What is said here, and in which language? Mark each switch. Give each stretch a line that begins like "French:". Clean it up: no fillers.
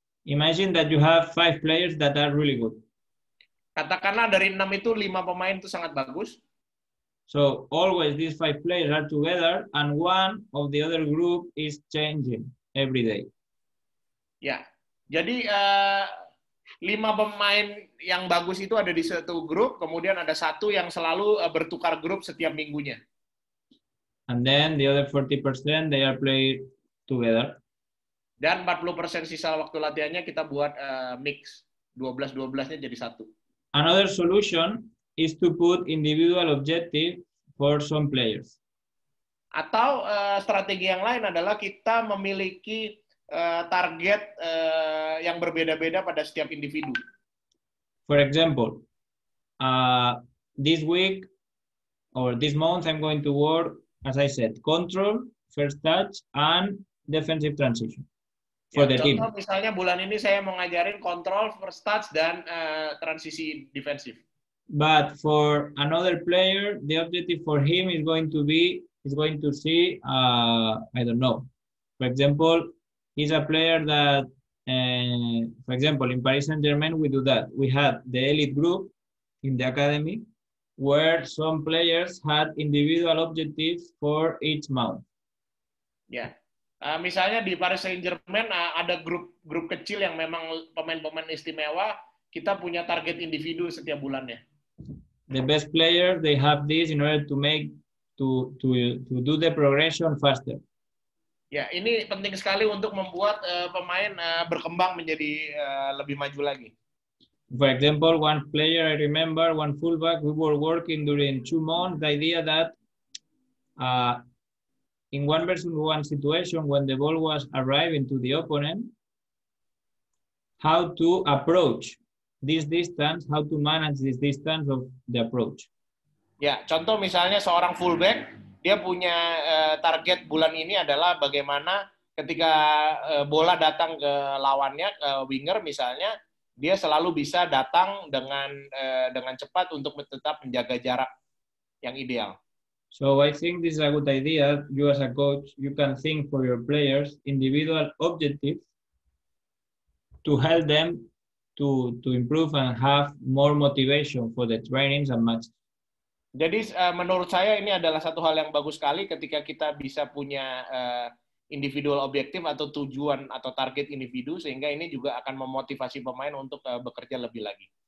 English: Imagine that you have 5 players that are really good.
Indonesian: Katakanlah dari 6 itu 5 pemain itu sangat bagus.
English: So always these 5 players are together and one of the other group is changing every day.
Indonesian: Ya. Jadi 5 pemain yang bagus itu ada di satu grup, kemudian ada satu yang selalu bertukar grup setiap minggunya.
English: And then the other 40% they are play together.
Indonesian: Dan 40% sisa waktu latihannya kita buat mix 12-12-nya jadi satu.
English: Another solution is to put individual objective for some players.
Indonesian: Atau strategi yang lain adalah kita memiliki target yang berbeda-beda pada setiap individu.
English: For example, this week or this month I'm going to work, as I said, control, first touch, and defensive transition. For ya, the
Indonesian: contoh,
English: team.
Indonesian: Misalnya bulan ini saya mau ngajarin control, first touch, dan transisi defensif.
English: But for another player, the objective for him is going to see, I don't know. For example, he's a player that, for example, in Paris Saint-Germain, we do that. We had the elite group in the academy where some players had individual objectives for each month. Yeah.
Indonesian: Misalnya di Paris Saint-Germain ada grup-grup kecil yang memang pemain-pemain istimewa, kita punya target individu setiap bulannya.
English: The best player, they have this in order to do the progression faster.
Indonesian: Ya, ini penting sekali untuk membuat pemain berkembang menjadi lebih maju lagi.
English: For example, one player I remember, one fullback, we were working during 2 months, the idea that in one versus one situation, when the ball was arriving to the opponent, how to approach this distance, how to manage this distance of the approach.
Indonesian: Ya, contoh misalnya seorang fullback, dia punya target bulan ini adalah bagaimana ketika bola datang ke lawannya, ke winger misalnya, dia selalu bisa datang dengan cepat untuk tetap menjaga jarak yang ideal.
English: So I think this is a good idea. You as a coach, you can think for your players individual objectives to help them to improve and have more motivation for the trainings and matches.
Indonesian: Jadi menurut saya ini adalah satu hal yang bagus sekali ketika kita bisa punya
English: individual objective
Indonesian: atau tujuan atau target individu sehingga ini juga akan memotivasi pemain untuk bekerja lebih lagi.